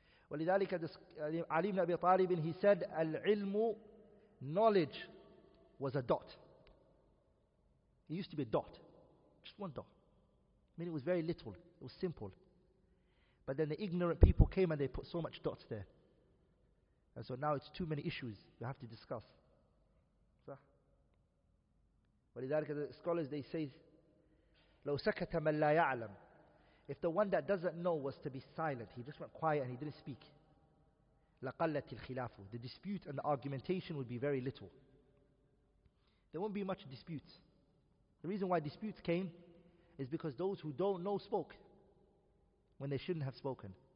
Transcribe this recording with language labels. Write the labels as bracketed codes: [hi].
[en] ولذلك علي بن أبي طالب, he said, العلم, knowledge, was a dot. It used to be a dot. Just one dot. I mean, it was very little. It was simple. But then the ignorant people came and they put so much dots there. And so now it's too many issues we have to discuss. [ar] صح؟ ولذلك the scholars, they say, لو سكت من لا يعلم. [en] If the one that doesn't know was to be silent, he just went quiet and he didn't speak. [ar] لَقَلَّتِ الْخِلَافُ. [en] The dispute and the argumentation would be very little. There won't be much disputes. The reason why disputes came is because those who don't know spoke when they shouldn't have spoken.